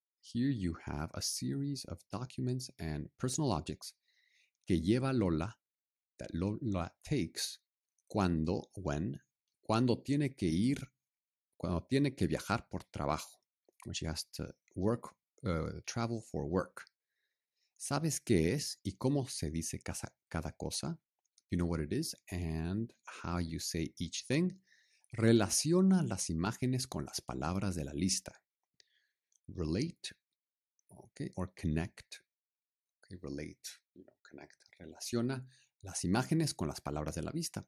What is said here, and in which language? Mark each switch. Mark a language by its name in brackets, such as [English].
[English] Here you have a series of documents and personal objects [Spanish] que lleva Lola, [English] that Lola takes [Spanish] cuando tiene que viajar por trabajo. [English] When she has to travel for work. [Spanish] ¿Sabes qué es y cómo se dice cada cosa? [English] You know what it is and how you say each thing. [Spanish] Relaciona las imágenes con las palabras de la lista. [English] Relate, okay, or connect. Okay, relate, you know, connect. [Spanish] Relaciona las imágenes con las palabras de la lista.